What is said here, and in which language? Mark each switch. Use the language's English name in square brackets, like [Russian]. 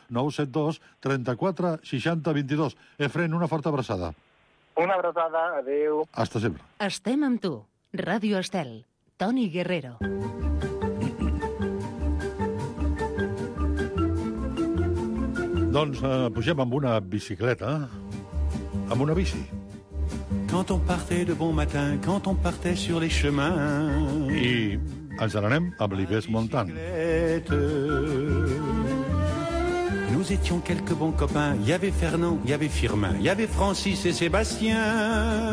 [Catalan] 972-34-60-22. Efren, una forta abraçada. Una abraçada, adéu. Hasta sempre. Estem amb tu. Ràdio Estel. Toni Guerrero. Doncs pugem amb una bicicleta. Amb una bici. [French] Quand on partait de bon matin, quand on partait sur les chemins... [Catalan] I ens n'anem amb l'Ives Montan. [French] Nous étions quelques bons copains. Il y avait Fernand, il y avait Firmin, il y avait Francis et Sébastien.